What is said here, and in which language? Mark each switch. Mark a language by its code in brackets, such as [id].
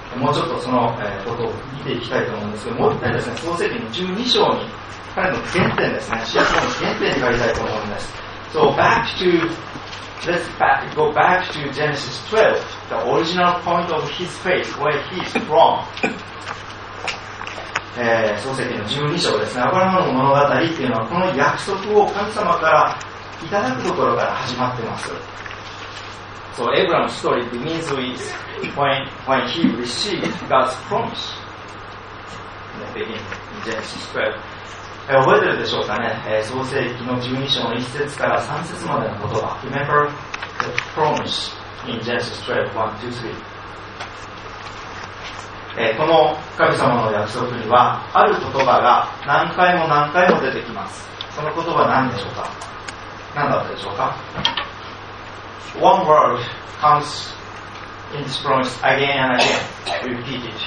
[ja] もうちょっとそのことを見ていきたいと思うんですけど、もう一回ですね、創世記の12章に、彼の原点ですね、信仰の原点に書きたいと思います。 [en] So back to, let's back, go back to Genesis 12, the original point of his faith, where he is from. [ja] 創世記の12章ですね、アブラハムの物語っていうのは、この約束を神様からいただくところから始まってます。 [en] So Abraham's story begins with when he received God's promise in the beginning, in Genesis 12. [ja] 覚えてるでしょうかね、創世記の12章の1節から3節までの言葉。 [en] Remember the promise in Genesis 12, 1, 2, 3. [ja] この神様の約束には、ある言葉が何回も何回も出てきます。その言葉は何でしょうか？何だったでしょうか？ [en] One word comes in this promise again and again, repeated.